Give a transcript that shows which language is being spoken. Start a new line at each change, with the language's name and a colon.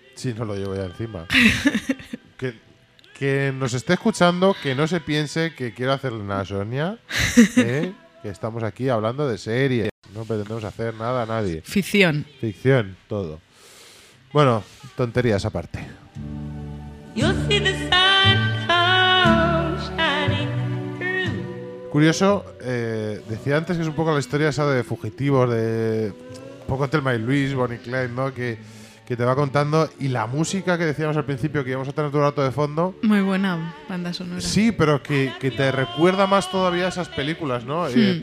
Spanish: Sí, no lo llevo ya encima. Que nos esté escuchando, que no se piense que quiero hacerle nada a Sonia, que estamos aquí hablando de series. No pretendemos hacer nada a nadie. Ficción. Ficción, todo. Bueno, tonterías aparte.
English: You'll see the sun come shining.
Spanish: Curioso, decía antes que es un poco la historia esa de Fugitivos, de un poco Thelma y Luis, Bonnie Clyde, ¿no? Que te va contando. Y la música que decíamos al principio que íbamos a tener todo el rato de fondo. Muy buena banda sonora. Sí, pero que te recuerda más todavía esas películas, ¿no? Sí.